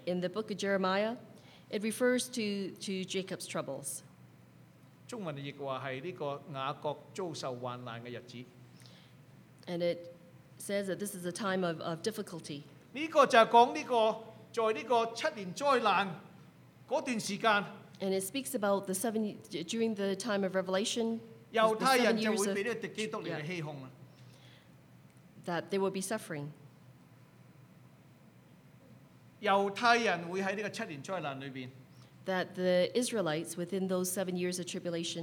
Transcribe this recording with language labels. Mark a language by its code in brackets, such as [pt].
[en] In the book of Jeremiah, it refers to Jacob's troubles. [yue] 中文譯話係呢個雅各遭受患難嘅日子。 [en] And it says that this is a time of difficulty. [yue] 呢個就係講呢個在呢個七年災難嗰段時間。 [en] And it speaks about the seven during the time of Revelation. [yue] 猶太人就會被呢敵基督嚟欺哄。 [en] That they will be suffering. [yue] 猶太人會喺呢個七年災難裏邊。 [en] That the Israelites within those 7 years of tribulation.